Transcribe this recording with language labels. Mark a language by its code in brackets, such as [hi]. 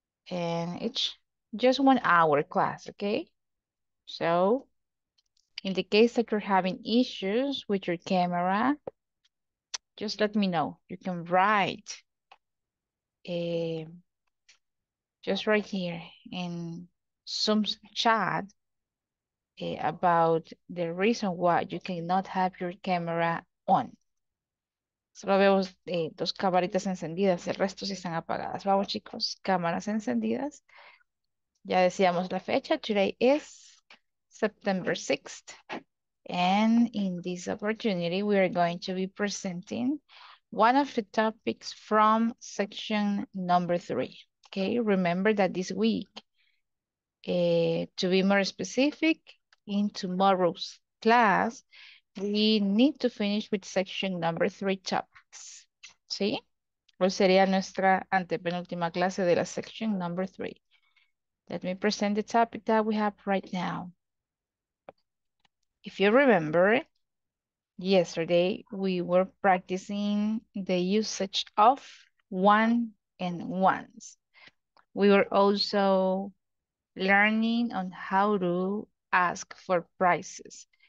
[en] And it's just 1 hour class, okay? So in the case that you're having issues with your camera, just let me know. You can write a... just right here in Zoom's chat about the reason why you cannot have your camera on. [es] Solo vemos dos camaritas encendidas, el resto sí están apagadas. Vamos, chicos, cámaras encendidas. Ya decíamos la fecha. [en] Today is September 6th. And in this opportunity, we are going to be presenting one of the topics from section number 3. Okay, remember that this week, to be more specific, in tomorrow's class, we need to finish with section number 3 topics. [es] ¿Sí? Pues sería nuestra antepenúltima clase de la [en] section number 3. Let me present the topic that we have right now. If you remember, yesterday we were practicing the usage of one and ones. We were also learning on how to ask for prices.